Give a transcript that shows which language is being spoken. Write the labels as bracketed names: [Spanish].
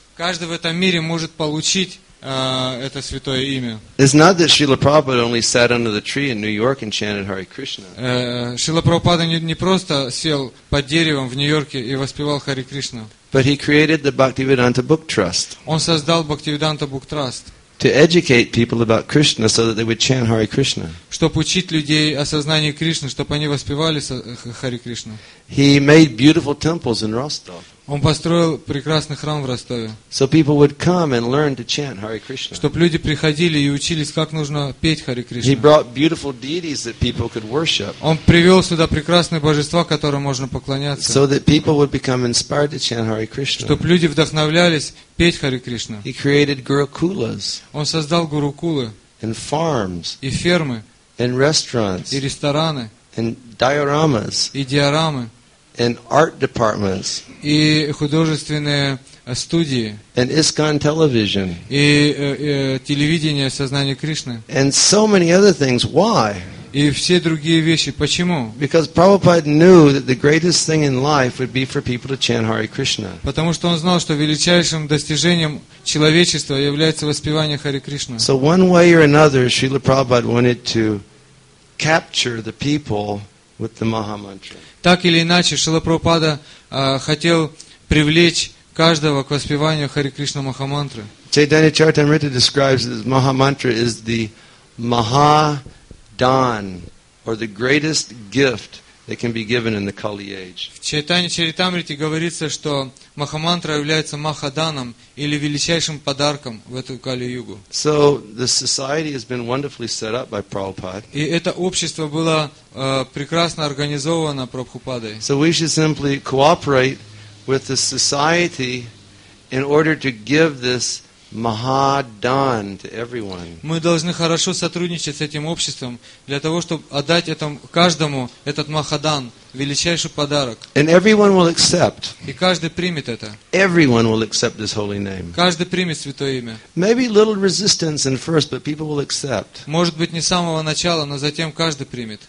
[Russian] Каждый в этом мире может получить это святое имя. [English] It's not that Srila Prabhupada only sat under the tree in New York and chanted Hare Krishna. [Russian] Шрила Прабхупада не просто сел под деревом в Нью-Йорке и воспевал Хари Кришна. [English] But he created the Bhaktivedanta Book Trust. [Russian] Он создал Бхактивиданта Бук Траст. [English] To educate people about Krishna so that they would chant Hare Krishna. [Russian] Чтобы учить людей о сознании Кришны, чтобы они воспевали Хари Кришну. [English] He made beautiful temples in Rostov. [Russian] Он построил прекрасный храм в Ростове. [English] So people would come and learn to chant Hare Krishna. [Russian] Чтобы люди приходили и учились, как нужно петь Хари Кришна. [English] He brought beautiful deities that people could worship. [Russian] Он привел сюда прекрасные божества, которым можно поклоняться. [English] So that people would become inspired to chant Hare Krishna. [Russian] Чтобы люди вдохновлялись петь Хари Кришна. [English] He created gurukulas. [Russian] Он создал гурукулы. [English] And farms. [Russian] И фермы. [English] And restaurants. [Russian] И рестораны. [English] And dioramas. [Russian] И диорамы. [English] And art departments. [Russian] И художественные студии. [English] And ISKCON television. [Russian] И телевидение сознания Кришны. [English] And so many other things. Why? [Russian] И все другие вещи. Почему? [English] Because Prabhupada knew that the greatest thing in life would be for people to chant Hare Krishna. [Russian] Потому что он знал, что величайшим достижением человечества является воспевание Хари Кришны. [English] So one way or another, Srila Prabhupada wanted to capture the people with the Maha Mantra. [Russian] Так или иначе, Шрила Прабхупада хотел привлечь каждого к воспеванию Хари Кришна Маха Мантры. [English] Chaitanya Charitamrita describes that Maha Mantra is the Maha Dan, or the greatest gift that can be given in the Kali Age. [Russian] В Чайтанья Чаритамрите говорится, что Маха Мантра является Маха Даном, или величайшим подарком в эту Кали-Югу. [English] So, the society has been wonderfully set up by Prabhupada. [Russian] И это общество было прекрасно организовано Прабхупадой. [English] So, we should simply cooperate with the society in order to give this Maha Dan to everyone. [Russian] Мы должны хорошо сотрудничать с этим обществом для того, чтобы отдать каждому этот Маха Дан, величайший подарок. [English] And everyone will accept. [Russian] И каждый примет это. [English] Everyone will accept this holy name. [Russian] Каждый примет святое имя. [English] Maybe little resistance in first, but people will accept. [Russian] Может быть, не с самого начала, но затем каждый примет.